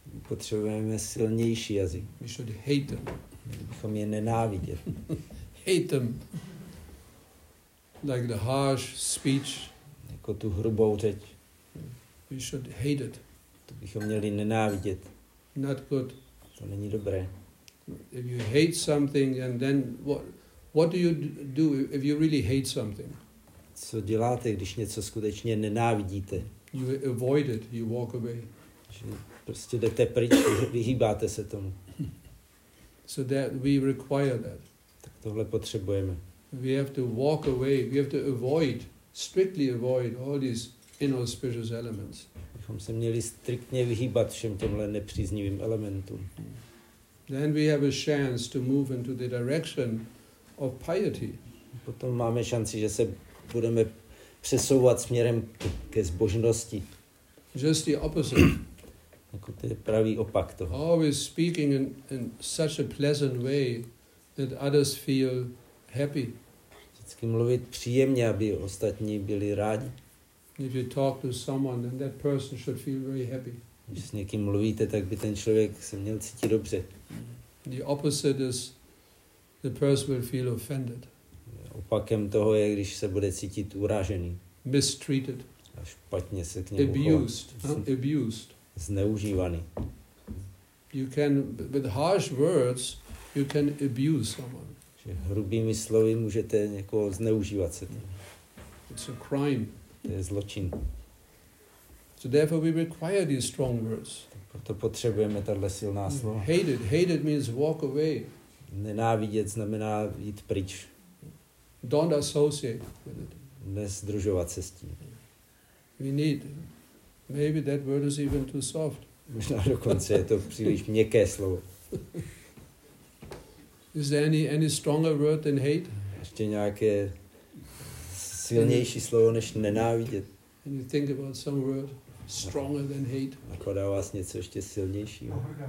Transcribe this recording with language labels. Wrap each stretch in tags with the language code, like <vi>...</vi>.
<cs>Potřebujeme silnější jazyk.</cs> <en>We should hate them.</en> <cs>Bychom je nenávidět.</cs> <en>Hate them. Like the harsh speech.</en> <cs>Jako tu hrubou řeč.</cs> <en>We should hate it.</en> <cs>To bychom měli nenávidět.</cs> <en>Not good.</en> <cs>To není dobré.</cs> <en>If you hate something and then what do you do if you really hate something?</en> <cs>Co děláte, když něco skutečně nenávidíte?</cs> <en>You avoid it, you walk away.</en> <cs>Že prostě jdete pryč, vyhýbáte se tomu.</cs> <en>So that we require that.</en> <cs>Tak tohle potřebujeme.</cs> <en>We have to walk away, we have to avoid, strictly avoid all these inauspicious elements.</en> <cs>Bychom se měli striktně vyhýbat všem těmhle nepříznivým elementům.</cs> <en>Then we have a chance to move into the direction of piety.</en> <cs>Potom máme šanci, že se budeme přesouvat směrem ke zbožnosti.</cs> <en>Just the opposite.</en> <cs>Jako to je pravý opak toho.</cs> <en>Always speaking in such a pleasant way that others feel happy.</en> <cs>Vždycky mluvit příjemně, aby ostatní byli rádi.</cs> <en>If you talk to someone, then that person should feel very happy.</en> <cs>Když s někým mluvíte, tak by ten člověk se měl cítit dobře.</cs> <en>The opposite is the person will feel offended.</en> <cs>Opakem toho je, když se bude cítit urážený.</cs> <en>Mistreated.</en> <cs>A špatně se k němu</cs> <en>abused,</en> <cs>chovat.</cs> <en>Abused.</en> <cs>Zneužívaný.</cs> <en>You can, with harsh words, you can abuse someone.</en> <cs>Že hrubými slovy můžete někoho zneužívat se tím.</cs> <en>It's a crime.</en> <cs>To je zločin.</cs> <en>So therefore we require these strong words.</en> <cs>Proto potřebujeme tato silná slova.</cs> <en>Hated means walk away.</en> <cs>Nenávidět znamená jít pryč.</cs> <en>Don't associate with it.</en> <cs>Nezdružovat se s tím.</cs> <en>We need. Maybe that word is even too soft.</en> <cs>Možná dokonce je to příliš měkké slovo.</cs> <en>Is there any stronger word than hate?</en> <cs>Ještě nějaké silnější slovo než nenávidět?</cs> <en>Can you think about some word stronger than hate?</en> <cs>Napadá vás něco ještě silnějšího?</cs>